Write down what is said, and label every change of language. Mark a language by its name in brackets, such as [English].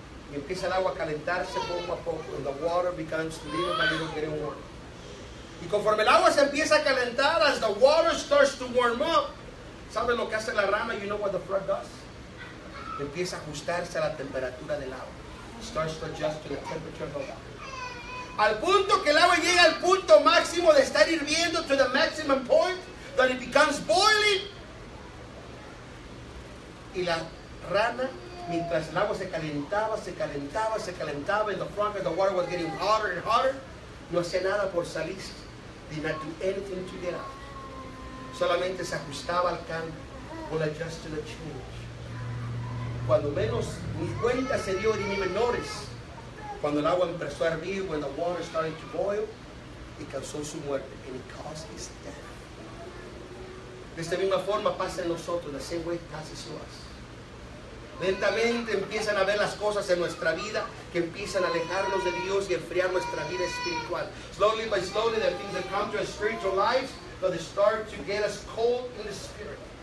[Spanish] Y empieza el agua a calentarse poco a poco. [English] And the water becomes little by little getting warm. [Spanish] Y conforme el agua se empieza a calentar, [English] as the water starts to warm up, [Spanish] ¿sabes lo que hace la rana? [English] You know what the frog does? [Spanish] Empieza a ajustarse a la temperatura del agua. [English] Starts to adjust to the temperature of the water. [Spanish] Al punto que el agua llega al punto máximo de estar hirviendo, [English] to the maximum point, that it becomes boiling. [Spanish] Y la rana, mientras el agua se calentaba, [English] and the frog, the water was getting hotter and hotter, [Spanish] no hacía nada por salir. [English] Did not do anything to get out. [Spanish] Solamente se ajustaba al cambio. [English] Will adjust to the change. [Spanish] Cuando menos ni cuenta se dio, ni menores, cuando el agua empezó a hervir, [English] when the water started to boil, [Spanish] y causó su muerte, [English] and it caused his death. [Spanish] De esta misma forma pasa en nosotros, [English] the same way passes to us. [Spanish] Lentamente empiezan a ver las cosas en nuestra vida que empiezan a alejarnos de Dios y enfriar nuestra vida espiritual. [English] Slowly by slowly the things that come to our spiritual lives, but they start to get us cold in the spirit.